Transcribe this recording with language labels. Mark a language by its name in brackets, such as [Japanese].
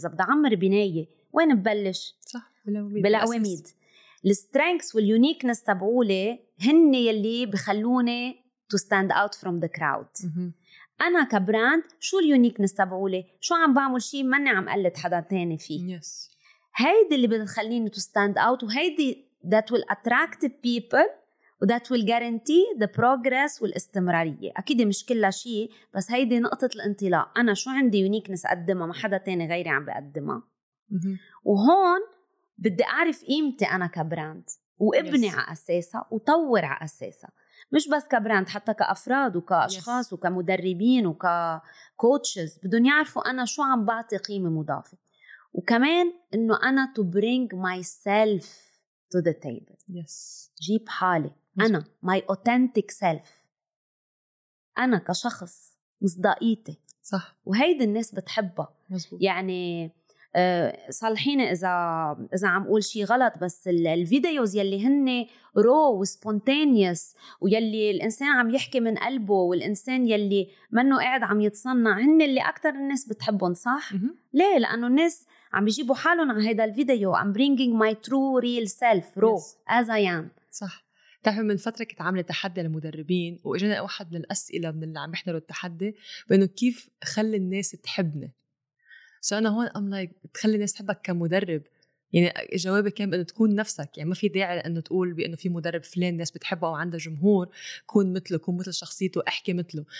[Arabic] إذا بدي أعمر بناية وين ببلش؟ صح، بالعواميد. السترينكس واليونيكنس تبعولي هن يلي بخلوني [English] to stand out from the crowd. [Arabic] أنا كبراند شو اليونيكنس تبعولي؟ شو عم بعمل شيء ماني عم قلد حدا تاني فيه؟ [English] yes. [Arabic] هيدي اللي بتخليني [English] to stand out، [Arabic] وهيدي [English] that will attract people that will guarantee the progress [Arabic] والاستمرارية. أكيد مش كل شيء، بس هيدي نقطة الانطلاق. أنا شو عندي يونيكنس أقدمها ما حدا تاني غيري عم بقدمها. وهون بدي أعرف قيمتي أنا كبراند وابني على أساسها وطور على أساسها، مش بس كبراند، حتى كأفراد وكأشخاص وكمدربين وككوتشز بدون يعرفوا أنا شو عم بعطي قيمة مضافة. وكمان إنه أنا [English] to bring myself to the table. yes. [Arabic] جيب حالي أنا، [English] my authentic self، [Arabic] أنا كشخص مصداقيتي. صح، وهيدا الناس بتحبها. مزبوط. يعني صالحيني إذا عم قول شي غلط، بس الفيديوز يلي هن رو وسبونتانيوس ويلي الإنسان عم يحكي من قلبه والإنسان يلي منه قاعد عم يتصنع هن اللي أكتر الناس بتحبهم. صح؟ ليه؟ لأنه الناس عم يجيبوا حالهم على هيدا الفيديو. [English] I'm bringing my true real self raw as I am. [Arabic] صح. تعرف من فترة كنت عاملة تحدي للمدربين، وإجانا واحد من الأسئلة من اللي عم يحضروا التحدي بأنه كيف خلي الناس تحبنا. سأنا هون [English] I'm like [Arabic] تخلي الناس تحبك كمدرب، يعني جوابي كان بأنه تكون نفسك. يعني ما في داعي لأنه تقول بأنه في مدرب فلان الناس بتحبه أو عنده جمهور، كون مثله، كون مثل شخصيته، أحكي مثله.